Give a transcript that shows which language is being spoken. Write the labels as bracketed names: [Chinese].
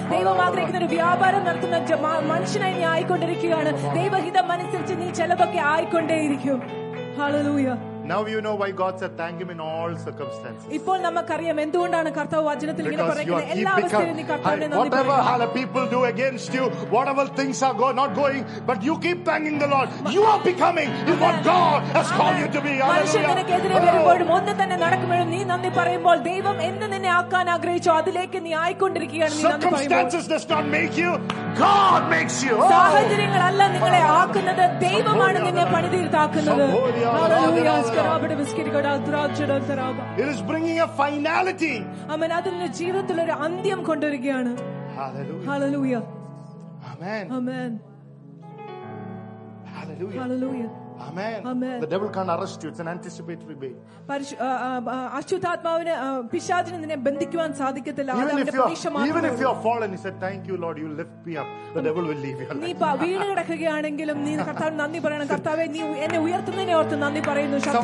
[Malayalam] Devam aagrekina oru vyaparam nadathuna മനുഷ്യനായി നീ ആയിക്കൊണ്ടിരിക്കുകയാണ്. ദൈവഹിതം അനുസരിച്ച് നീ ചെലവൊക്കെ ആയിക്കൊണ്ടേയിരിക്കും. ഹല്ലേലൂയാ. [English] Now you know why God said thank him in all circumstances. [Malayalam] ഇപ്പോൾ നമുക്കറിയാം എന്തുകൊണ്ടാണ് കർത്താവ് വചനത്തിൽ ഇങ്ങനെ പറയുന്നത്. എല്ലാ അവസ്ഥയിലും നീ കർത്താവിനെ നന്ദി [English] Whatever other people do against you, whatever things are going not going, but you keep thanking the Lord. You are becoming is what God has called you to be. [Malayalam] Hallelujah. മനുഷ്യൻ നിനക്ക് എതിരെ വരുമ്പോഴും ഒന്നു തന്നെ നടക്കുമ്പോഴും നീ നന്ദി പറയുമ്പോൾ ദൈവം എന്ത് നിന്നെ ആക്കാൻ ആഗ്രഹിച്ചോ അതിലേക്ക് നീ ആയിക്കൊണ്ടിരിക്കുകയാണ്. [English] Circumstances does not make you, God makes you. [Malayalam] സാഹചര്യങ്ങളല്ല നിങ്ങളെ ആക്കുന്നത്, ദൈവമാണ് നിന്നെ പണിതീർത്താക്കുന്നത്. Hallelujah. [English] It is bringing a finality. Amen. [Malayalam] അതിന്റെ ജീവിതത്തിൽ ഒരു അന്ത്യം കൊണ്ടുവരികയാണ്. [English] Hallelujah. Amen. Amen. Hallelujah. Hallelujah. Amen. Amen. The devil can't arrest you. It's an anticipatory bait. [Malayalam] അശുദ്ധാത്മാവിനെ പിശാചിനെ നിന്നെ ബന്ധിക്കുവാൻ സാധിക്കത്തില്ല. [English] Even if you're fallen, he said, thank you, Lord, you lift me up. The devil will leave you. [Malayalam] നീ വീണു കിടക്കുകയാണെങ്കിലും നീ കർത്താവിന് നന്ദി പറയണം. കർത്താവേ, നീ എന്നെ ഉയർത്തുന്നതിനെ ഓർത്ത് നന്ദി പറയുന്നു.